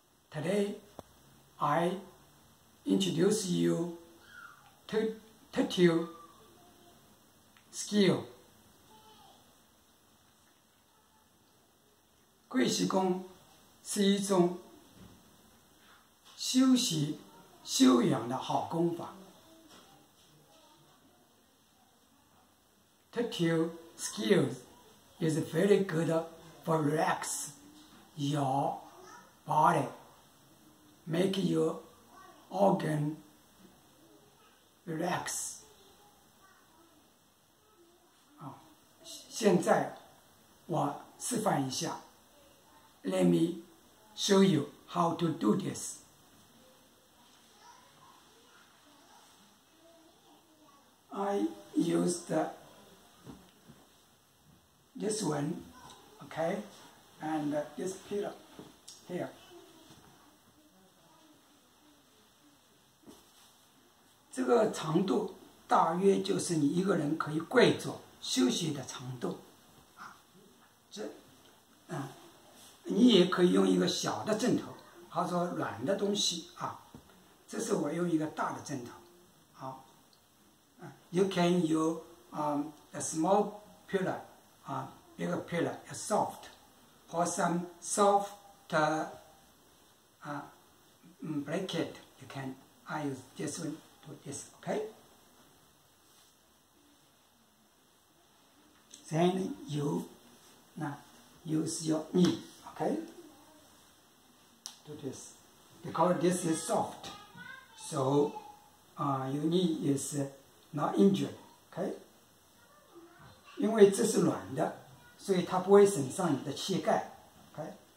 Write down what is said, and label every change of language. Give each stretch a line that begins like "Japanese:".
English: Today I introduce you to turtle skill.
Chinese: 桂习功是一种修习修养的好功法。
English: Turtle skills is very good for relax your body, make your organ relax.
Chinese: 现在我示范一下。
English: Let me show you how to do this. I use this one, okay, and this pillow here. This
Chinese: 个长度大约就是你一个人可以跪坐休息的长度。你也可以用一个小的枕头，或者软的东西啊。这是我用一个大的枕头，好。
English: You can use a small pillow, a bigger pillow, a soft, or some soft blanket. You can. I use this one to this. Okay. Then you, use your knee. Okay, do this, because this is soft, so your knee is not injured, okay?
Chinese: 因为这是软的，所以它不会损伤你的膝盖， okay?